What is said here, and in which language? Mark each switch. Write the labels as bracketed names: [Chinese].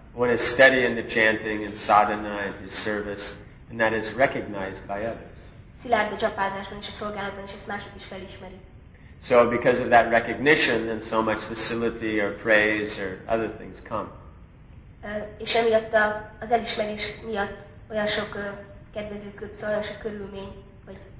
[English] One is steady in the chanting and sadhana and his service, and that is recognized by others. [Hungarian] Szilárd a csapázásban és a szolgálatban, és ezt mások is felismeri. [English] So because of that recognition, then so much facility or praise or other things come. [Hungarian] És emiatt az elismerés miatt olyan sok kedvező szoros körülmény, vagy